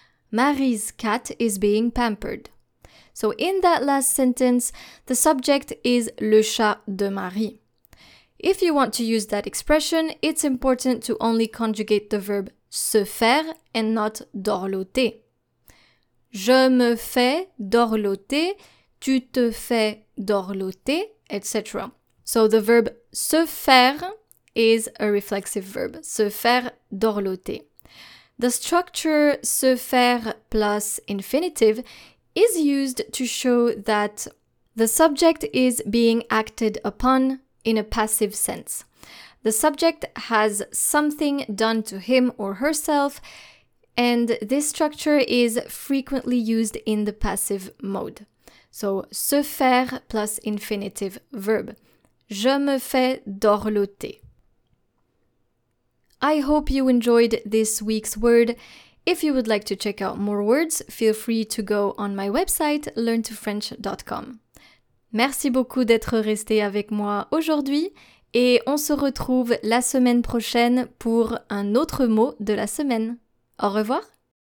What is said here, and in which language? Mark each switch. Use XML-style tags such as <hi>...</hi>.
<en>Marie's cat is being pampered. So in that last sentence, the subject is</en> <fr>le chat de Marie.</fr> <en>If you want to use that expression, it's important to only conjugate the verb se faire and not dorloter.</en> <fr>Je me fais dorloter, tu te fais dorloter, etc.</fr> <en>So the verb se faire is a reflexive verb,</en> <fr>se faire dorloter.</fr> <en>The structure se faire plus infinitive is used to show that the subject is being acted upon in a passive sense. The subject has something done to him or herself, and this structure is frequently used in the passive mode. So, se faire plus infinitive verb.</en> <fr>Je me fais dorloter.</fr> <en>I hope you enjoyed this week's word. If you would like to check out more words, feel free to go on my website learntofrench.com.</en> <fr>Merci beaucoup d'être resté avec moi aujourd'hui et on se retrouve la semaine prochaine pour un autre mot de la semaine. Au revoir.</fr>